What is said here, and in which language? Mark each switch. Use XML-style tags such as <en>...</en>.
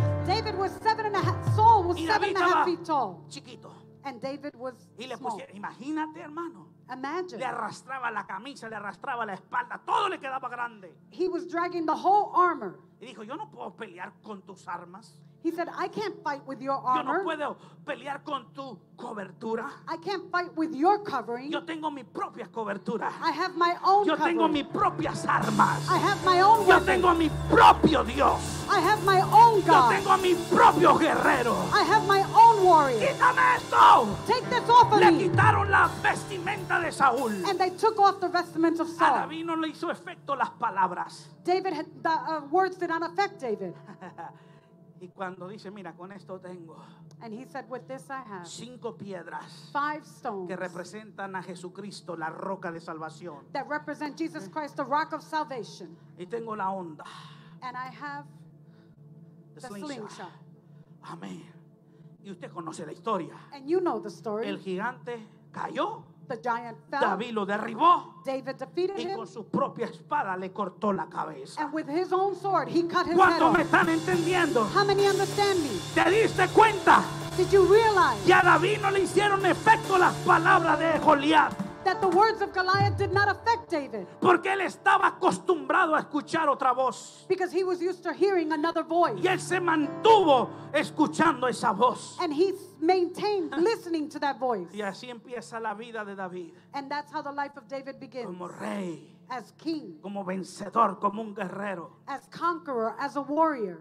<en>David was 7 and a half. Saul was 7 and a half feet tall.</en> <es>Chiquito.</es> <en>And David was small.</en> <es>Y le pusieron, imagínate, hermano.</es> <en>Imagine.</en> <es>Le arrastraba la camisa, le arrastraba la espalda, todo le quedaba grande.</es> <en>He was dragging the whole armor.</en> <es>Y dijo, yo no puedo pelear con tus armas.</es> <en>He said, I can't fight with your armor.</en> <es>Yo no puedo pelear con tu cobertura.</es> <en>I can't fight with your covering.</en> <es>Yo tengo mi propia cobertura.</es> <en>I have my own covering.</en> <es>Yo tengo mis propias armas.</es> <en>I have my own weapon.</en> <es>Yo tengo mi propio Dios.</es> <en>I have my own God.</en> <es>Yo tengo mi propio guerrero.</es> <en>I have my own warrior.</en> <es>¡Quítame esto!</es> <en>Take this off of me.</en> <es>Le quitaron la vestimenta de Saúl.</es> <en>And they took off the vestment of Saul.</en> <es>A David no le hizo efecto las palabras.</es> <en>David had, the words did not affect David.</en> <es>Y cuando dice, mira, con esto tengo.</es> <en>And he said, with this I have.</en> <es>5 piedras.</es> <en>5 stones.</en> <es>Que representan a Jesucristo, la roca de salvación.</es> <en>That represent Jesus Christ, the rock of salvation.</en> <es>Y tengo la onda.</es> <en>And I have the slingshot.</en> <es>Amén. Y usted conoce la historia.</es> <en>And you know the story.</en> <es>El gigante cayó.</es> <en>The giant fell.</en> <es>David lo derribó.</es> <en>David defeated</en> <es>y</es> <en>him.</en> <es>Y con su propia espada le cortó la cabeza.</es> <en>And with his own sword he cut his</en> <es>¿cuánto</es> <en>head off?</en> <es>Me están entendiendo?</es> <en>How many understand me?</en> <es>¿Te diste cuenta?</es> <en>Did you realize?</en> <es>Y a David no le hicieron efecto las palabras de Goliat.</es> <en>That the words of Goliath did not affect David.</en> <es>Porque él estaba acostumbrado a escuchar otra voz.</es> <en>Because he was used to hearing another voice.</en> <es>Y él se mantuvo escuchando esa voz.</es> <en>And he maintained listening to that voice.</en> <es>Y así empieza la vida de David.</es> <en>And that's how the life of David begins.</en> <es>Como rey.</es> <en>As king.</en> <es>Como vencedor, como un guerrero.</es> <en>As conqueror, as a warrior.</en>